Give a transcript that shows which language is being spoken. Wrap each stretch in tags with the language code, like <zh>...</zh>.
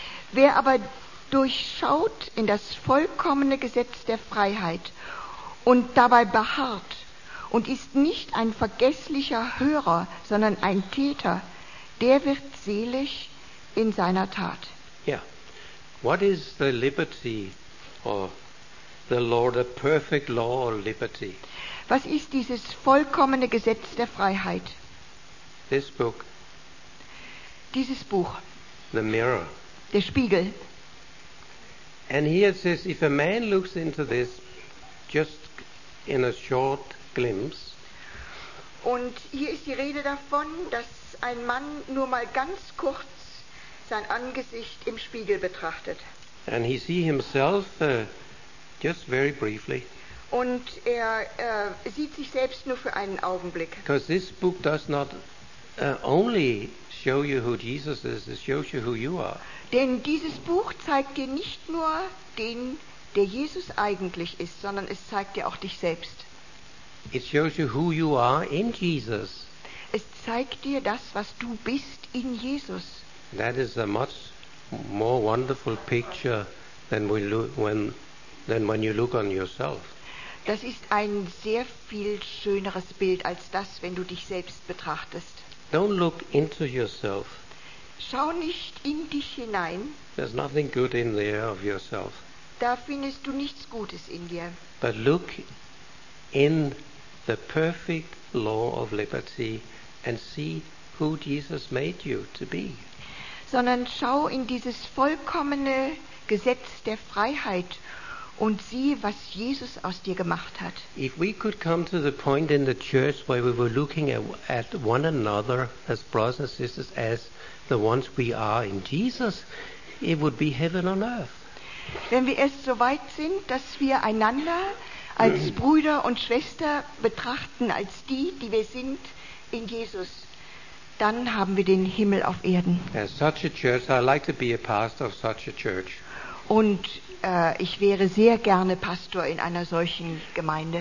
<de>Wer aber durchschaut in das vollkommene Gesetz der Freiheit und dabei beharrt, und ist nicht ein vergesslicher Hörer, sondern ein Täter, der wird selig in seiner Tat.</de> <en>Yeah. What is the liberty of the law, the perfect law of liberty?</en> <de>Was ist dieses vollkommene Gesetz der Freiheit?</de> <en>This book.</en> <de>Dieses Buch.</de> <en>The mirror.</en> <de>Der Spiegel.</de> <en>And here it says, if a man looks into this just in a short glimpse.</en> <de>Und hier ist die Rede davon, dass ein Mann nur mal ganz kurz sein Angesicht im Spiegel betrachtet.</de> <en>And he see himself just very briefly.</en> <de>Und er sieht sich selbst nur für einen Augenblick.</de> <en>Because this book does not only show you who Jesus is, it shows you who you are.</en> <de>Denn dieses Buch zeigt dir nicht nur den, der Jesus eigentlich ist, sondern es zeigt dir auch dich selbst.</de> <en>It shows you who you are in Jesus.</en> <de>Es zeigt dir das, was du bist in Jesus.</de> <en>That is a much more wonderful picture than when you look on yourself.</en> <de>Das ist ein sehr viel schöneres Bild als das, wenn du dich selbst betrachtest.</de> <en>Don't look into yourself.</en> <de>Schau nicht in dich hinein.</de> <en>There's nothing good in there of yourself.</en> <de>Da findest du nichts Gutes in dir.</de> <en>But look in the perfect law of liberty and see who Jesus made you to be.</en> <de>Sondern schau in dieses vollkommene Gesetz der Freiheit und sieh, was Jesus aus dir gemacht hat.</de> <en>If we could come to the point in the church where we were looking at one another as brothers and sisters, as the ones we are in Jesus, it would be heaven on earth.</en> <de>Wenn wir erst so weit sind, dass wir einander als Brüder und Schwester betrachten, als die, die wir sind in Jesus, dann haben wir den Himmel auf Erden.</de> <en>As such a church, I'd like to be a pastor of such a church.</en> <de>Und ich wäre sehr gerne Pastor in einer solchen Gemeinde.</de>